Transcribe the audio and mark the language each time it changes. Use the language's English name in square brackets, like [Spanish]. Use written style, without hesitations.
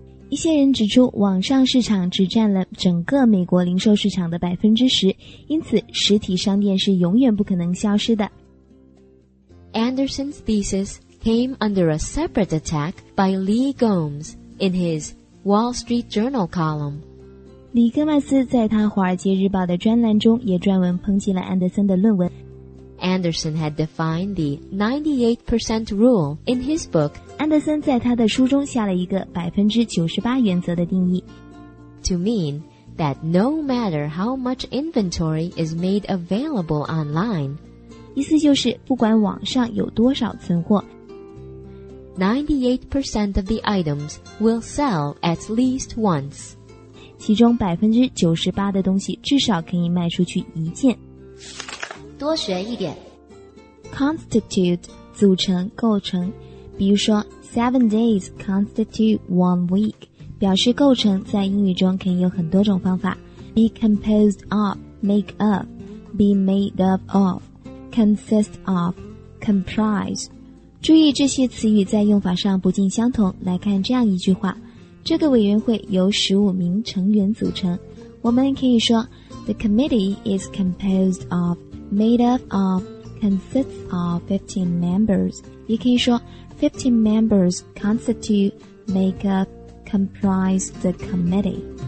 [Chinese] 一些人指出，网上市场只占了整个美国零售市场的10%，因此实体商店是永远不可能消失的。 [English] Anderson's thesis came under a separate attack by Lee Gomes in his Wall Street Journal column. [Chinese] 李戈麦斯在他《华尔街日报》的专栏中也撰文抨击了安德森的论文。 [English] Anderson had defined the 98% rule in his book. [Chinese] 安德森在他的书中下了一个98%原则的定义。 [English] To mean that no matter how much inventory is made available online, [Chinese] 意思就是不管网上有多少存货 [English] ，98% of the items will sell at least once. [Chinese] 其中98%的东西至少可以卖出去一件。多学一点。 Constitute 组成构成，比如说 [English] 7 days constitute 1 week [Chinese] 表示构成，在英语中可以有很多种方法。 [English] Be composed of, make of, be made up of, consist of, comprise。 [Chinese] 注意这些词语在用法上不尽相同。来看这样一句话。这个委员会由15名成员组成。我们可以说 [English] ,The committee is composed of, made up of, consists of 15 members. [Chinese] 也可以说 [English] ,15 members constitute, make up, comprise the committee.